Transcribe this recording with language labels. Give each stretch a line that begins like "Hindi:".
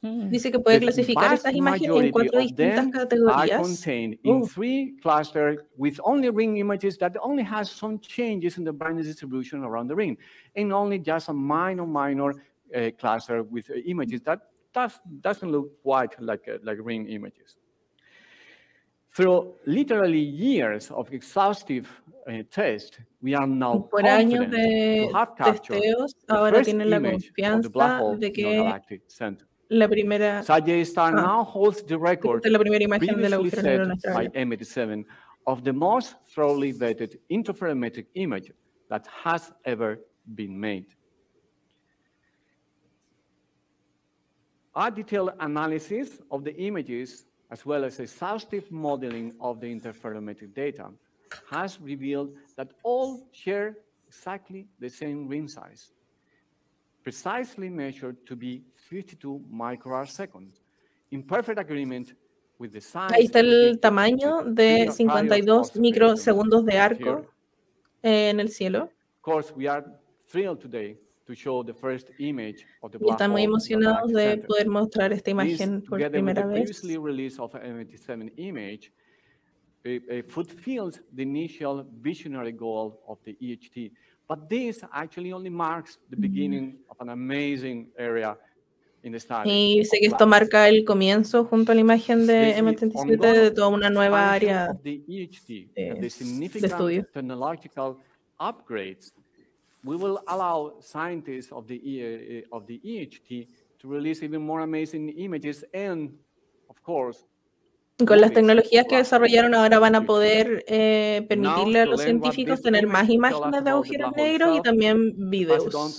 Spanish: Dice que puede clasificar estas imágenes en 4 distintas categorías.
English: Are contained in 3 clusters with only ring images that only has some changes in the brightness distribution around the ring, and only just a minor cluster with images that doesn't look quite like ring images. Through literally years of exhaustive test, we are now
Spanish: por años de testeos, ahora tienen la confianza de que la primera
English: Sagittarius star now holds the record
Spanish: de la primera imagen del agujero negro
English: by M87 of the most thoroughly vetted interferometric image that has ever been made. A detailed analysis of the images, as well as exhaustive modeling of the interferometric data, has revealed that all share exactly the same ring size, precisely measured to be 52 microarseconds, in perfect agreement with the size.
Spanish: Ahí está el tamaño de 52 microsegundos de arco en el cielo.
English: Of course, we are thrilled today to show the first image of the black hole.
Spanish: Estamos muy emocionados de poder mostrar esta imagen por primera vez.
English: The previously released of M87 image. It fulfills the initial visionary goal of the EHT, but this actually only marks the beginning of an amazing area in the study.
Spanish: Y sé que esto marca el comienzo junto a la imagen de M37 de toda una nueva área de estudio.
English: The significant technological upgrades will allow scientists of the EHT to release even more amazing images, and of course.
Spanish: Con las tecnologías que desarrollaron ahora van a poder permitirle a los científicos tener más imágenes de agujeros negros y también videos.